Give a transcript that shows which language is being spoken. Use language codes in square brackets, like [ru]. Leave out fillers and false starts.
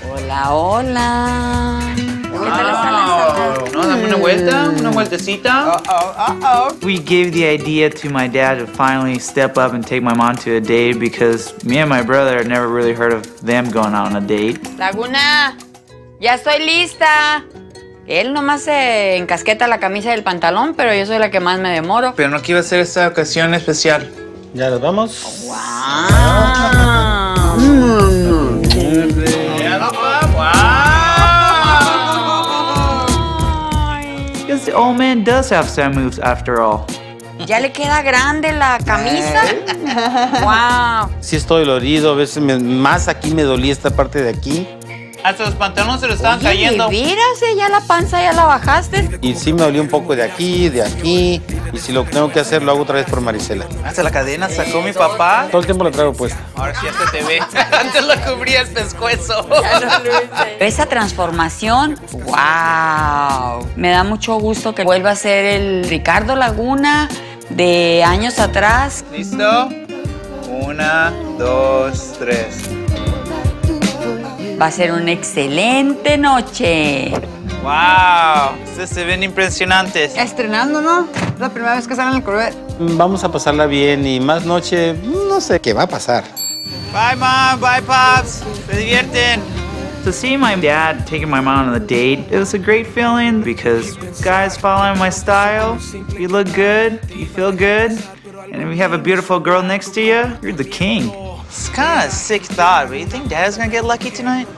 [es] Hola, hola. Wow. No, dame una vueltecita. Uh-oh. [en] We gave the idea to my dad to finally step up and take my mom to a date because me and my brother had never really heard of them going out on a date. [es] Laguna, ya estoy lista. Él nomás se encasqueta la camisa del pantalón, pero yo soy la que más me demoro. Pero no quiero hacer esta ocasión especial. Ya nos vamos. Wow. Ah. Mm. Mm. Wow. [en] Guess the old man does have some moves after all. [es] Ya le queda grande la camisa. Wow. Sí estoy dolorido, a veces más aquí me dolía esta parte de aquí. Hasta los pantalones se lo estaban cayendo. Oye, mírase, ya la panza ya la bajaste. Y sí me dolió un poco de aquí, y si lo tengo que hacer lo hago otra vez por Marisela. Hasta la cadena sacó mi papá. Todo el tiempo la traigo puesta. Ahora sí ya se te ve. Antes la cubría el pescuezo. Ya no, esa transformación, wow. Me da mucho gusto que vuelva a ser el Ricardo Laguna de años atrás. ¿Listo? Una, dos, tres. Va a ser una excelente noche. ¡Wow! Ustedes se ven impresionantes. Estrenando, ¿no? Es la primera vez que salen al Corvette. Vamos a pasarla bien y más noche, no sé qué va a pasar. [en] Bye, Mom. Bye, Pops. [es] Se divierten. [en] To see my dad taking my mom on a date, it was a great feeling because guys following my style, you look good, you feel good, and if you have a beautiful girl next to you, you're the king. It's kind of a sick thought, but you think Dad's gonna get lucky tonight?